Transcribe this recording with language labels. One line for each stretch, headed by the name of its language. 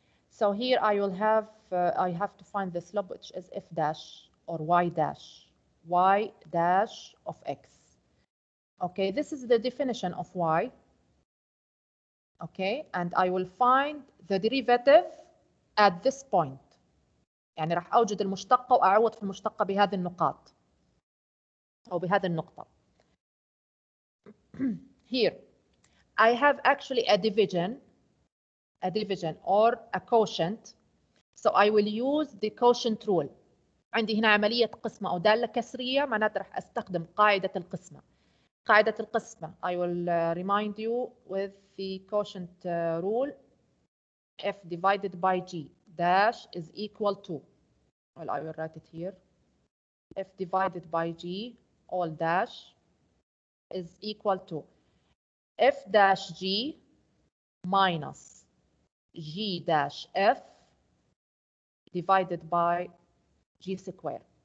English: So here I will have, I have to find the slope, which is F dash or Y dash, Y dash of X. Okay, this is the definition of Y. Okay, and I will find the derivative at this point.
Arabic: يعني راح أوجد المشتقة وأعوض في المشتقة بهذه النقاط أو بهذه النقطة.
English: Here, I have actually a division or a quotient. So I will use the quotient rule.
Arabic: عندي هنا عملية قسمة أو دالة كسرية معناته راح أستخدم قاعدة القسمة. قاعدة القسمة.
English: I will remind you with the quotient rule. F divided by G dash is equal to. Well, I will write it here. F divided by G all dash is equal to F dash G minus G dash F divided by G square.